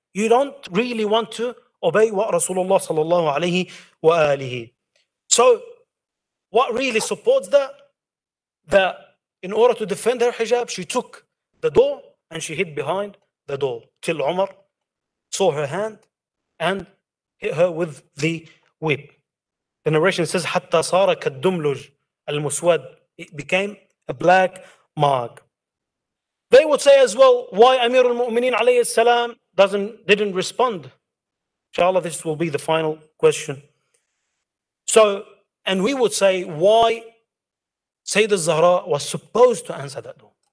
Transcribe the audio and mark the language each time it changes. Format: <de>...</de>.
<en>You don't really want to obey what Rasulullah sallallahu alayhi wa alihi. So, what really supports that? That in order to defend her hijab, she took the door and she hid behind the door till Umar saw her hand and hit her with the whip.</en> <ar>The narration says, حَتَّى صَارَ كَالدُّمْلُجِ الْمُسْوَدِ.</ar> <en>It became a black mark. They would say as well, why Amir al-Mu'mineen alayhi salam didn't respond? Inshallah, this will be the final question. And we would say, why Sayyidah Zahra was supposed to answer that door?</en>